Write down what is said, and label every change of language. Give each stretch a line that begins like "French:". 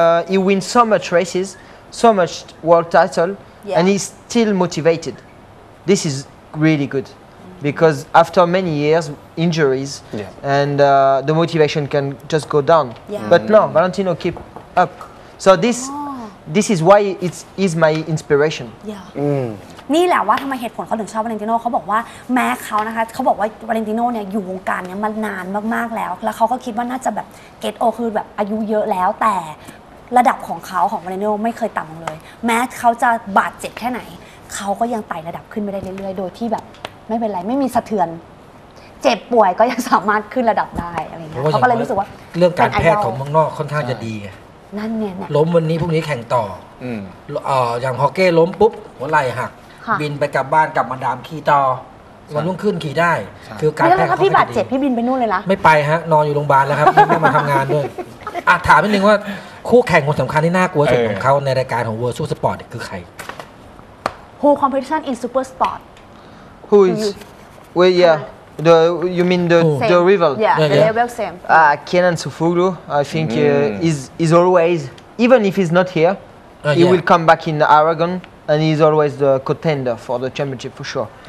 English: he wins so much races so much world title and he's still motivated this is really good because after many years injuries and the motivation can just go down but no Valentino keep up so this this is why it's is my inspiration
Thai: นี่แหละว่าทำไมเหตุผลเขาถึงชอบวาเลนติโน่เขาบอกว่าแม้เขานะคะเขาบอกว่าวาเลนติโน่เนี่ยอยู่วงการเนี่ยมานานมากๆแล้วแล้วเขาก็คิดว่าน่าจะแบบเกตโอคือแบบอายุเยอะแล้วแต่ระดับของเขาของวาเลนติโน่ไม่เคยต่ำเลยแม้เขาจะบาดเจ็บแค่ไหนเขาก็ยังไต่ระดับขึ้นไปได้เรื่อยๆโดยที่แบบไม่เป็นไรไม่มีสะเทือนเจ็บป่วยก็ยังสามารถขึ้นระดับได้อะไรเงี้ยเขาก็เลยรู้สึกว่า เรื่องการแพทย์ของเมืองนอกค่อนข้างจะดี นั่นเนี่ย ล้มวันนี้พรุ่งนี้แข่งต่ออย่างฮอกเก้ล้มปุ๊บหัวไหล่หักบินไปกลับบ้านกลับมาดามขี่ต่อวันรุ่งขึ้นขี่ได้คือการแพ้ ถ้าพี่บาดเจ็บพี่บินไปนู่นเลยล่ะ ไม่ไปฮะนอนอยู่โรงพยาบาลแล้วครับไม่มาทำงานด้วยถามนิดนึงว่าคู่แข่งคนสำคัญที่น่ากลัวสุดของเขาในรายการของ World Super Sport คือใคร
English: Who competition in Super Sport Who is Well yeah the you mean the same. The rival yeah the level same Kenan Sufuglu I think is always even if he's not here he will come back in Aragon and he's always the contender for the championship for sure.